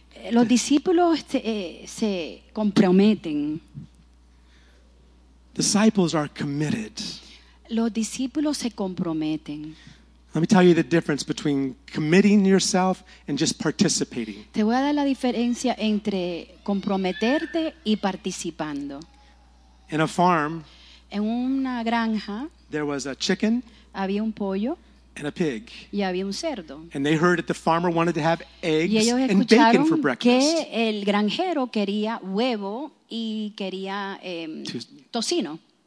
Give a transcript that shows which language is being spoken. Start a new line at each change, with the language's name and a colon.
Spanish: Los discípulos se comprometen.
English: Disciples are committed.
Spanish: Los discípulos se comprometen.
English: Let me tell you the difference between committing yourself and just participating.
Spanish: Te voy a dar la diferencia entre comprometerte y participando.
English: In a farm,
Spanish: en una granja,
English: there was a chicken,
Spanish: había un pollo,
English: and a pig,
Spanish: y había un cerdo.
English: And they heard that the farmer wanted to have eggs
Spanish: y ellos escucharon
English: bacon for breakfast.
Spanish: Que el granjero quería huevo y quería tocino.